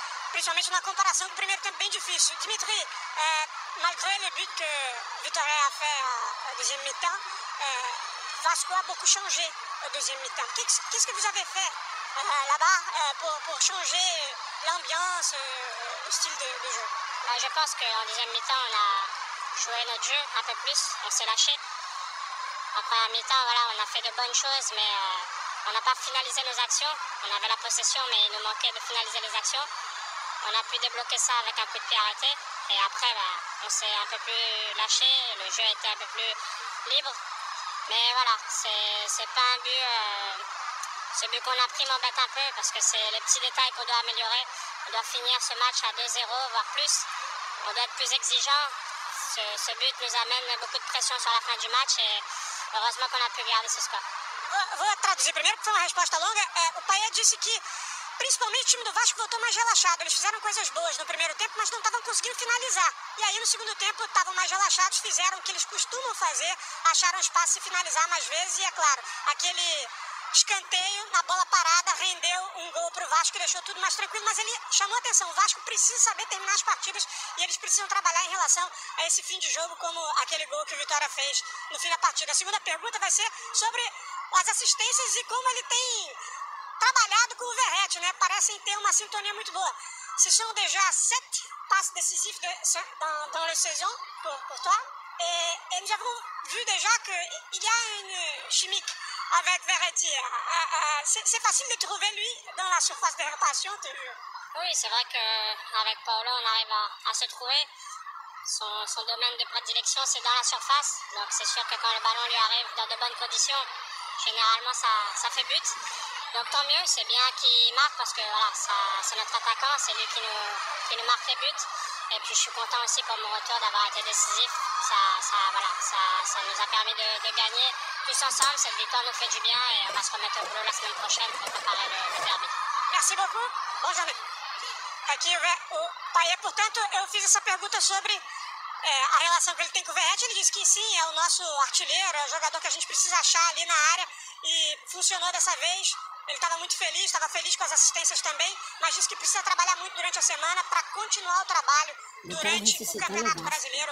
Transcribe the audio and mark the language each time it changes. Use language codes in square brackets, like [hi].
[pt] Principalmente na comparação com o primeiro tempo bem difícil. [fr] Dimitri, malgré le but que Vitória a fait au deuxième mi-temps, Vasco a beaucoup changé au deuxième mi-temps. Qu'est-ce que vous avez fait là-bas pour changer l'ambiance, le style de jeu? Je pense qu'en deuxième mi-temps, on a joué notre jeu un peu plus, on s'est lâché. En première mi-temps, voilà, on a fait de bonnes choses, mais on n'a pas finalisé nos actions. On avait la possession, mais il nous manquait de finaliser les actions. On a pu débloquer ça avec un coup de pied arrêté. Et après, bah, on s'est un peu plus lâché. Le jeu était un peu plus libre. Mais voilà, c'est pas un but. Ce but qu'on a pris m'embête un peu parce que c'est les petits détails qu'on doit améliorer. On doit finir ce match à 2-0, voire plus. On doit être plus exigeant. Ce but nous amène beaucoup de pression sur la fin du match. Et heureusement qu'on a pu garder ce score. [pt] Vou traduzir primeiro, porque foi uma resposta longa. O Payet disse que principalmente o time do Vasco voltou mais relaxado. Eles fizeram coisas boas no primeiro tempo, mas não estavam conseguindo finalizar. E aí no segundo tempo estavam mais relaxados, fizeram o que eles costumam fazer, acharam espaço e finalizar mais vezes. E é claro, aquele escanteio na bola parada rendeu um gol para o Vasco e deixou tudo mais tranquilo. Mas ele chamou a atenção, o Vasco precisa saber terminar as partidas e eles precisam trabalhar em relação a esse fim de jogo, como aquele gol que o Vitória fez no fim da partida. A segunda pergunta vai ser sobre as assistências e como ele tem trabalhado com o Verrete, né? Parecem ter uma sintonia muito boa. [fr] Ce sont déjà 7 passes décisives dans la saison pour toi. Et nous avons vu déjà qu'il y a une chimique avec Verrete. C'est facile de trouver lui dans la surface de réparation, tu veux? Oui, c'est vrai qu'avec Paolo, on arrive à se trouver. Son domaine de prédilection, c'est dans la surface. Donc c'est sûr que quand le ballon lui arrive dans de bonnes conditions, généralement ça fait but. Donc tant mieux, c'est bien qu'il marque parce que voilà, c'est notre attaquant, c'est lui qui nous marque les buts. Et puis je suis content aussi pour mon retour d'avoir été décisif. Ça nous a permis de gagner tous ensemble. Cette victoire nous fait du bien et on va se remettre au boulot la semaine prochaine pour préparer le derby. Merci beaucoup. Bonjour. [pt] Aqui o Payet, portanto, eu fiz essa pergunta sobre a relação que ele tem com o Verrete. Ele disse que sim, é o nosso artilheiro, é o jogador que a gente precisa achar ali na área. E funcionou dessa vez. Ele estava muito feliz, estava feliz com as assistências também, mas disse que precisa trabalhar muito durante a semana para continuar o trabalho durante o Campeonato Brasileiro.